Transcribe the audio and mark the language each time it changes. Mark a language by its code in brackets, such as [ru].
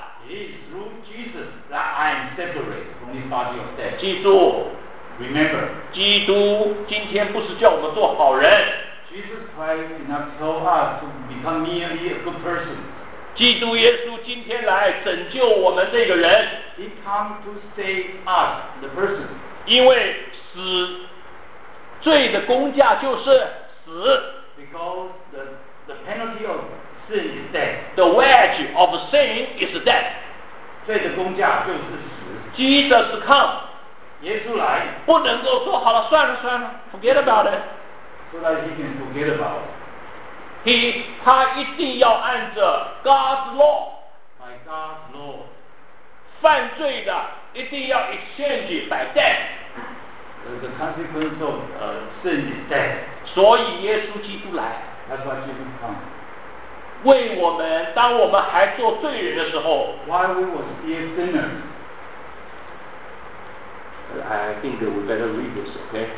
[en] It's through Jesus that I am separate from this body of death。 [zh] 记住 [en] ，Remember， [zh] 基督今天不是叫我们做好人。 [en] Jesus Christ did not tell us to become merely a good person. [zh] 基督耶稣今天来拯救我们这个人。 [en] He came to save us, the person. [zh] 因为死，罪的工价就是死。 [en] Because the penalty of sin is death. The wage of sin is death. [zh] 罪的工价就是死。 [en] Jesus come. [zh] 耶稣来。不能够说好了，算了算了 ， [en] forget about it。 So that he can forget about it. He, [zh] 他一定要按着 [en] God's law. By God's law. [zh] 犯罪的一定要 [en] exchange by death. The consequence of sin is death. [zh] 所以耶稣基督来。 [en] That's why Jesus come. [zh] 为我们，当我们还做罪人的时候。 [en] While we were still sinners. I think that we better read this, okay?